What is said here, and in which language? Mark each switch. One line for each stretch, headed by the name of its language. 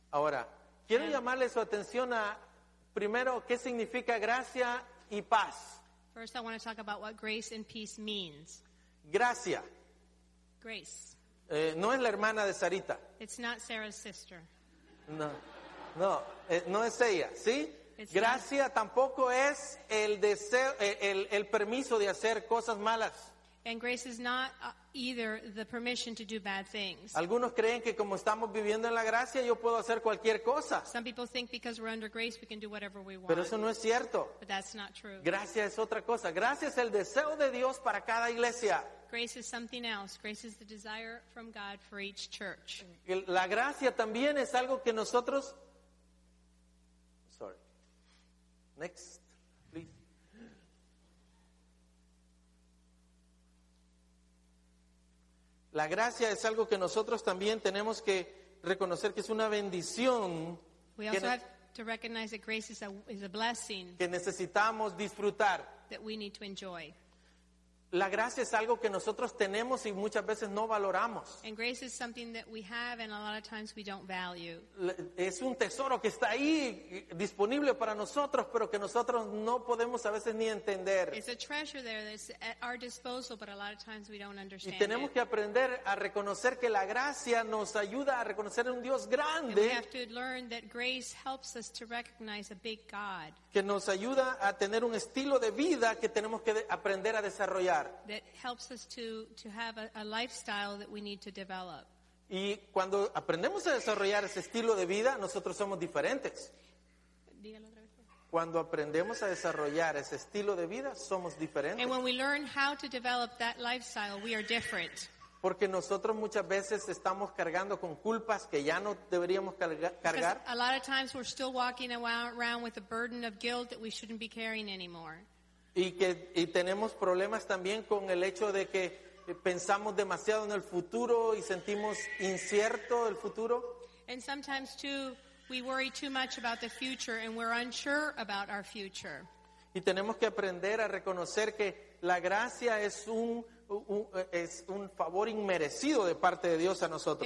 Spanish: Ahora, quiero llamarle su atención a, primero, ¿qué significa gracia y paz?
English: First, I want to talk about what grace and peace means.
Spanish: Gracia.
English: Grace.
Spanish: No es la hermana de Sarita.
English: It's not Sarah's sister.
Spanish: No es ella, ¿sí?
English: It's
Spanish: gracia
English: not,
Spanish: tampoco es el deseo, el permiso de hacer cosas malas.
English: And grace is not either the permission to do bad things.
Spanish: Algunos creen que como estamos viviendo en la gracia, yo puedo hacer cualquier cosa.
English: Some people think because we're under grace, we can do whatever we want.
Spanish: Pero eso no es cierto.
English: But that's not true.
Spanish: Gracia es otra cosa. Gracia es el deseo de Dios para cada iglesia.
English: Grace is something else. Grace is the desire from God for each church.
Spanish: La gracia también es algo que nosotros...
English: Next, please.
Spanish: La gracia es algo que nosotros también tenemos que reconocer que es una bendición
English: We also have to recognize that grace is a blessing
Spanish: que necesitamos disfrutar.
English: That we need to enjoy.
Spanish: La gracia es algo que nosotros tenemos y muchas veces no valoramos.
English: And grace is something that we have and a lot of times we don't value.
Spanish: Es un tesoro que está ahí disponible para nosotros, pero que nosotros no podemos a veces ni entender.
English: It's a treasure there that's at our disposal, but a lot of times we don't understand.
Spanish: Y tenemos que aprender a reconocer que la gracia nos ayuda a reconocer un Dios grande.
English: And we have to learn that grace helps us to recognize a big God.
Spanish: Que nos ayuda a tener un estilo de vida que tenemos que aprender a desarrollar.
English: That helps us to have a lifestyle that we need to develop.
Spanish: Y cuando aprendemos a desarrollar ese estilo de vida, nosotros somos diferentes. Dígalo otra vez. Cuando aprendemos a desarrollar ese estilo de vida, somos diferentes.
English: And when we learn how to develop that lifestyle, we are different.
Spanish: Porque nosotros muchas veces estamos cargando con culpas que ya no deberíamos cargar.
English: Because a lot of times we're still walking around with a burden of guilt that we shouldn't be carrying anymore.
Spanish: Y tenemos problemas también con el hecho de que pensamos demasiado en el futuro y sentimos incierto el futuro.
English: And sometimes too, we worry too much about the future and we're unsure about our future.
Spanish: Y tenemos que aprender a reconocer que la gracia es un favor inmerecido de parte de Dios a nosotros.